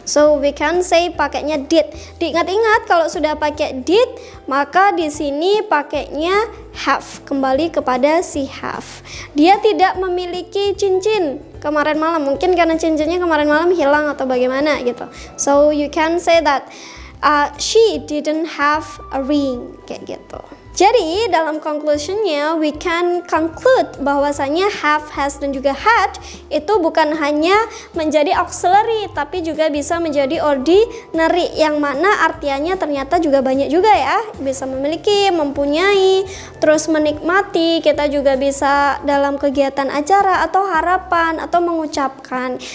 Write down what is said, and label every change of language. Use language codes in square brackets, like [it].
[en] So we can say [id] pakainya did. Diingat-ingat kalau sudah pakai did, maka di sini pakainya have, kembali kepada si have. Dia tidak memiliki cincin kemarin malam, mungkin karena cincinnya kemarin malam hilang atau bagaimana gitu. [en] So you can say that she didn't have a ring, [id] kayak gitu. Jadi dalam conclusion-nya, [en] we can conclude [id] bahwasanya have, has, dan juga had itu bukan hanya menjadi auxiliary, tapi juga bisa menjadi ordinary, yang mana artiannya ternyata juga banyak juga ya. Bisa memiliki, mempunyai, terus menikmati, kita juga bisa dalam kegiatan acara atau harapan atau mengucapkan.